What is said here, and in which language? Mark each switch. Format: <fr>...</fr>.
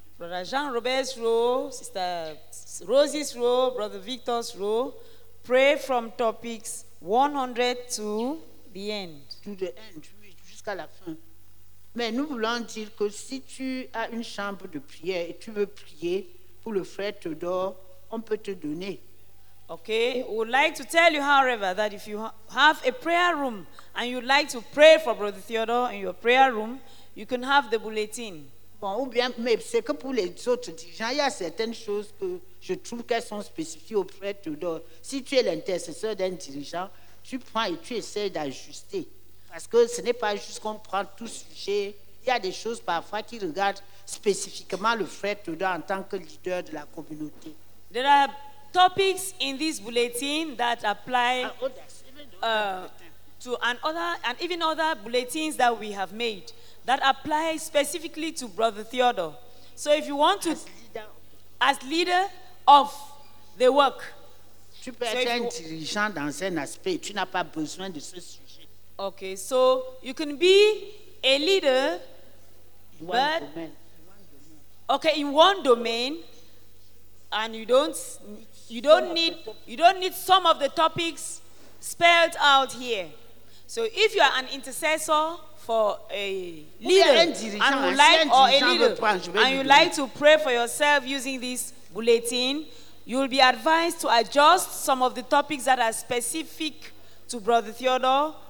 <en>Brother Jean-Robert's row, sister Rose's row, brother Victor's row, pray from topics 100 to the end. To the end,</en> <fr>oui, jusqu'à la fin. Mais nous voulons dire que si tu as une chambre de prière et tu veux prier pour le frère Théodore, on peut te donner.</fr> <en>Okay, we would like to tell you, however, that if you have a prayer room and you'd like to pray for Brother Theodore in your prayer room, you can have the bulletin.</en> <fr>Bon, ou bien, mais c'est que pour les autres dirigeants, il y a certaines choses que je trouve qu'elles sont spécifiques au frère Theodore. Si tu es l'intercesseur d'un dirigeant, tu prends et tu essaies d'ajuster. Parce que ce n'est pas juste qu'on prend tout sujet. Il y a des choses parfois qui regardent spécifiquement le frère Theodore en tant que leader de la communauté.</fr> <en>There are topics in this bulletin that apply to other bulletins that we have made that apply specifically to Brother Theodore. So if you want to, as leader of the work,</en> <fr>tu peux être un dirigeant dans un aspect, tu n'as pas besoin de ce sujet.</fr> <en>Okay, so you can be a leader, but okay, in one domain, and you don't need some of the topics spelled out here. So if you are an intercessor for a leader and you like or a leader and you like to pray for yourself using this bulletin, you will be advised to adjust some of the topics that are specific to Brother Theodore.</en>